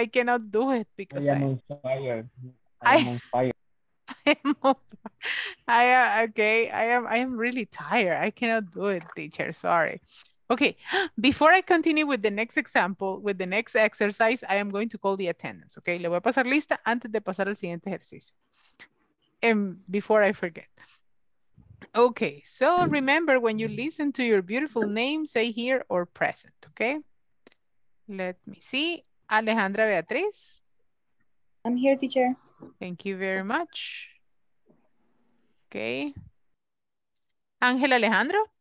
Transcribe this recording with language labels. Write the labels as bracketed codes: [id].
[en] I cannot do it because I am on fire. I am really tired. I cannot do it, teacher. Sorry. Okay. Before I continue with the next example, with the next exercise, I am going to call the attendance. Okay. [es] Le voy a pasar lista antes de pasar al siguiente ejercicio. [en] And before I forget. Okay. So remember, when you listen to your beautiful name, say here or present. Okay. Let me see. Alejandra Beatriz. I'm here, teacher. Thank you very much. Okay. Ángel Alejandro.